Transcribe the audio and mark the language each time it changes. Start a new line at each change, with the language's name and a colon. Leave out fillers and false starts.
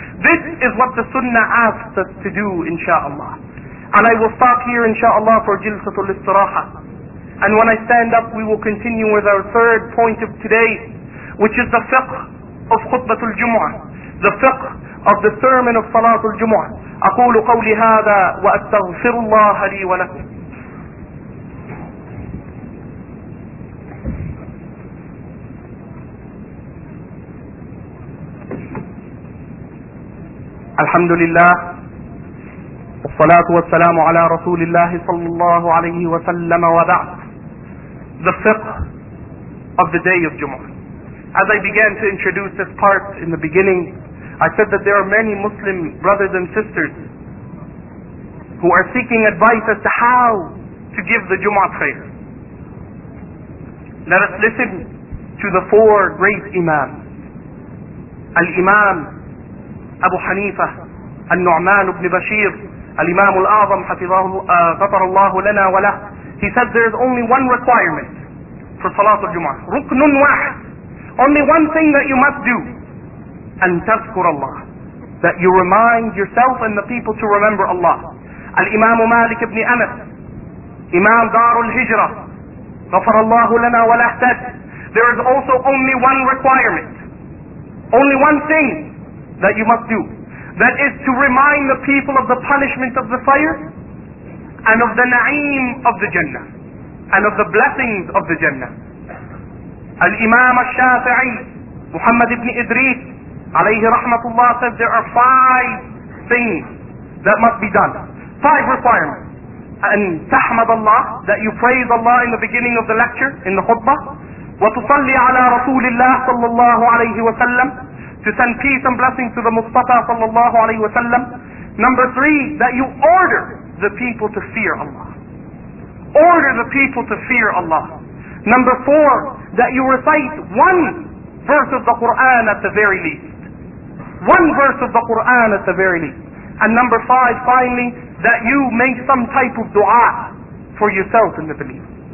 English: This is what the sunnah asks us to do, insha'Allah. And I will stop here, insha'Allah, for jilsatul istiraha. And when I stand up, we will continue with our third point of today, which is the fiqh of khutbah al-jumu'ah, the fiqh of the sermon of salat al-jumu'ah.
Arabic: أقول قولي هذا وأستغفر الله لي ولكم. الحمد لله والصلاة والسلام على رسول الله صلى الله عليه وسلم وبعد.
English: The fiqh of the day of Jumu'ah. As I began to introduce this part in the beginning, I said that there are many Muslim brothers and sisters who are seeking advice as to how to give the Jumu'ah prayer. Let us listen to the four great Imams. Al-Imam Abu Hanifa, Al-Nu'man ibn Bashir, Al-Imam Al-Azam, Hafizahullahu lana wa lah. He said there is only one requirement for Salat al-Jumu'ah. Ruknun wahid. Only one thing that you must do.
Arabic: أن تذكر الله.
English: That you remind yourself and the people to remember Allah.
Arabic: الإمام مالك بن أنس إمام دار الهجرة غفر الله لنا ولحسد.
English: There is also only one requirement. Only one thing that you must do. That is to remind the people of the punishment of the fire and of the na'im of the Jannah and of the blessings of the Jannah. الإمام الشافعي محمد بن إدريس
Arabic: عليه رحمة الله
English: said there are five things that must be done. Five requirements.
Arabic: أن تحمد الله,
English: that you praise Allah in the beginning of the lecture, in the khutbah.
Arabic: وتصلي على رسول الله صلى الله عليه وسلم,
English: to send peace and blessings to the Mustafa صلى الله عليه وسلم. Number three, that you order the people to fear Allah. Order the people to fear Allah. Number four, that you recite one verse of the Qur'an at the very least. One verse of the Qur'an at the very least. And number five, finally, that you make some type of dua for yourself in the belief.